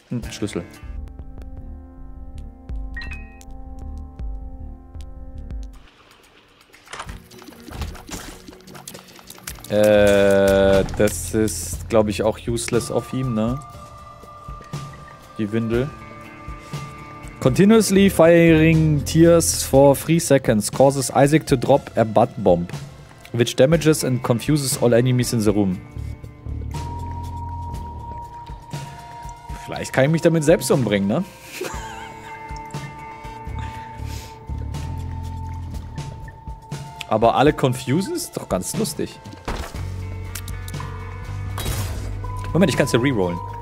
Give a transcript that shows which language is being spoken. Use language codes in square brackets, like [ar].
[de] Schlüssel. Das ist, glaube ich, auch useless auf ihm, ne? Die Windel. [en] Continuously firing tears for 3 seconds causes Isaac to drop a butt bomb, which damages and confuses all enemies in the room. [de] Vielleicht kann ich mich damit selbst umbringen, ne? Aber alle confusen ist doch ganz lustig. Moment, ich kann es ja rerollen.